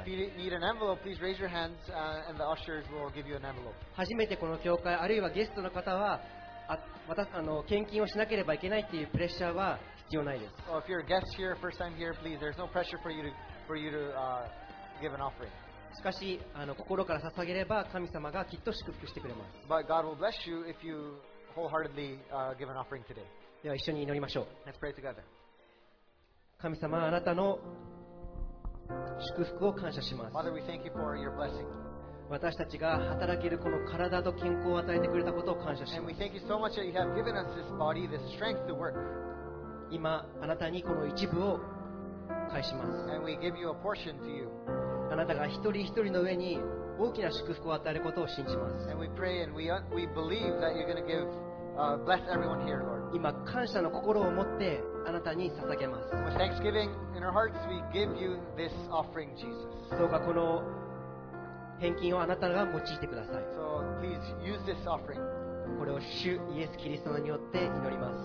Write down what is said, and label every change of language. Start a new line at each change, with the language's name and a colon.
English: If you need an envelope, please raise your hands, and the ushers will give you an envelope.
Japanese: 初めてこの教会あるいはゲストの方は、献金をしなければいけないっていうプレッシャーは必要ないです。
English: Well, if you're a guest here, first time here, please, there's no pressure for you to give an offering.
Japanese: しかし心から捧げれば神様がきっと祝福してくれます。
English: But God will bless you if you wholeheartedly give an offering today.
Japanese: では一緒に祈りましょう。
English: Let's pray together.
Japanese: 神様、あなたの祝福を感謝します。
English: Father, we thank you for your blessing.
Japanese: 私たちが働けるこの体と健康を与えてくれたことを感謝します。
English: And we thank you so much that you have given us this body, this strength to work.
Japanese: 今、あなたにこの一部を返します。
English: And we give you a portion to you.
Japanese: あなたが一人一人の上に大きな祝福を与えることを信じます。
English: And we pray and we believe that you're going to give, bless everyone here, Lord.
Japanese: 今感謝の心を持ってあなたに捧げます。
English: With thanksgiving in our hearts, we give you this offering, Jesus.
Japanese: どうかこの返金をあなたが用いてください。
English: So please use this offering.
Japanese: これを主イエスキリストによって祈ります。